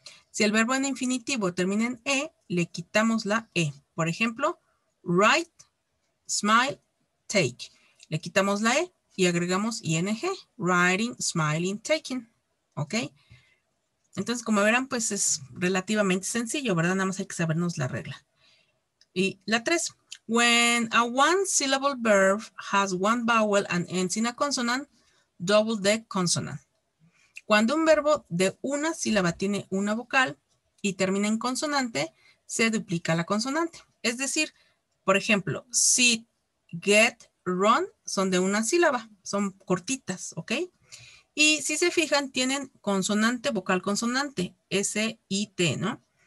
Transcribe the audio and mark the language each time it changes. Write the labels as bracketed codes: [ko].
[es] Si el verbo en infinitivo termina en e, le quitamos la e. Por ejemplo, write, smile, take. Le quitamos la e y agregamos ing. [en] Writing, smiling, taking. [es] ¿Ok? Entonces, como verán, pues es relativamente sencillo, ¿verdad? Nada más hay que sabernos la regla. Y la tres. [en] When a one-syllable verb has one vowel and ends in a consonant, double the consonant. [es] Cuando un verbo de una sílaba tiene una vocal y termina en consonante, se duplica la consonante. Es decir, por ejemplo, [en] sit, get, run [es] son de una sílaba, son cortitas, ¿ok? Y si se fijan, tienen consonante, vocal, consonante, S-I-T, ¿no?